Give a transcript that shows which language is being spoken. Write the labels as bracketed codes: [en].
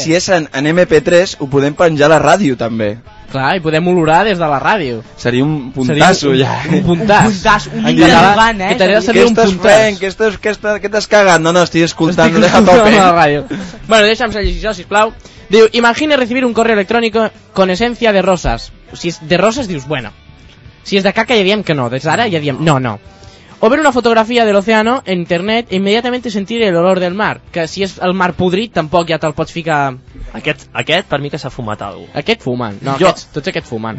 [ca] Si és en MP3, ho podem penjar a la ràdio, també. Clar, i podem olorar des de la ràdio. Seria un puntasso, ja. Un puntàs. Un interrogant, eh? Que estàs fent? Què t'has cagat? No, estic escoltant a tope. La ràdio. Bueno, deixa'm ser llegir això, sisplau. [es] Diu, imagina recibir un correo electrónico con esencia de rosas. [ca] Si és de roses, dius, bueno. Si és de caca, ja diem que no. Des d'ara, ja diem, no, no. [es] O ver una fotografia de l'oceano en internet e immediatamente sentir el olor del mar. [ca] Que si és el mar podrit, tampoc ja te'l pots ficar... Aquest, per mi, que s'ha fumat algú. Aquest fumant. No, jo, tots aquests fumant.